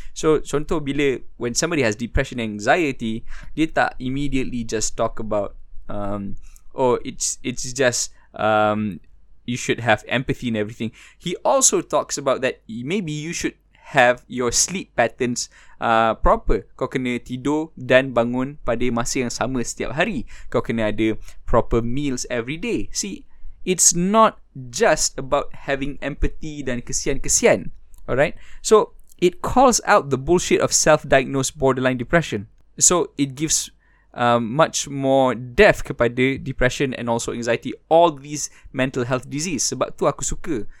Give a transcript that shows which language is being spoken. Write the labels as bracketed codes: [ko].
[en] So [ms] contoh, bila [en] when somebody has depression and anxiety, [ms] dia tak [en] immediately just talk about it's just you should have empathy and everything. He also talks about that maybe you should have your sleep patterns proper. [ms] Kau kena tidur dan bangun pada masa yang sama setiap hari. Kau kena ada [en] proper meals every day. See, it's not just about having empathy [ms] dan kesian-kesian, [en] alright? So it calls out the bullshit of self-diagnosed borderline depression. So it gives much more depth kepada depression and also anxiety, all these mental health diseases. [ms] Sebab tu aku suka.